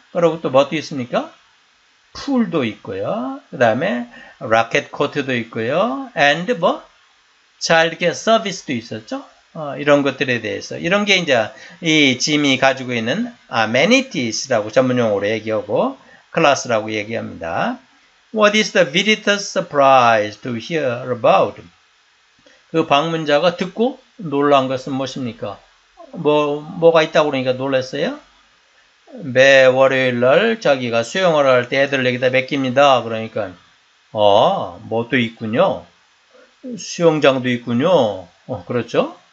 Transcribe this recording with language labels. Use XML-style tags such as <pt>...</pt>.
<ko>그리고 또 뭐도 있습니까? 풀도 있고요. 그 다음에 라켓 코트도 있고요. And 뭐 차일드케어 서비스도 있었죠. 이런 것들에 대해서 이런 게 이제 이 짐이 가지고 있는 amenities라고 전문용어로 얘기하고 클래스라고 얘기합니다.</ko> <en>What is the visitor surprised to hear about?</en> <ko>그 방문자가 듣고 놀란 것은 무엇입니까? 뭐가 있다고 그러니까 놀랐어요? 매 월요일 날 자기가 수영을 할 때 애들 여기다 맡깁니다. 그러니까 뭐도 있군요. 수영장도 있군요. 그렇죠?</ko>